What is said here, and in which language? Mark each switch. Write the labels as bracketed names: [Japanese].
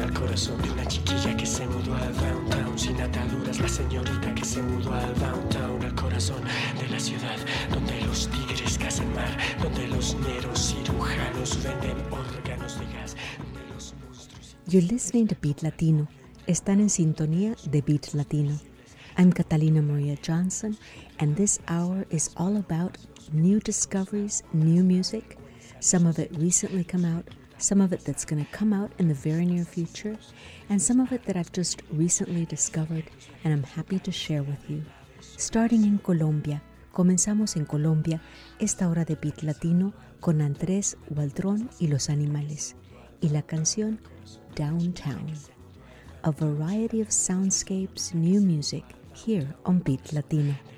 [Spanish] Al corazón de una chiquilla que se mudó al downtown. Sin ataduras, la señorita que se mudó al downtown. Al corazón de la ciudad donde los tigres cazan mar, donde los negros cirujanos venden órganos de gas, donde los monstruos. [English] You're listening to Beat Latino. [Spanish] Están en sintonía de Beat Latino. [English] I'm Catalina Maria Johnson, and this hour is all about new discoveries, new music, some of it recently come out, some of it that's going to come out in the very near future, and some of it that I've just recently discovered and I'm happy to share with you. Starting in Colombia, [Spanish] comenzamos en Colombia esta hora de Beat Latino con Andrés Waldrón y Los Animales, y la canción Downtown. [English] A variety of soundscapes, new music, here on Beat Latino.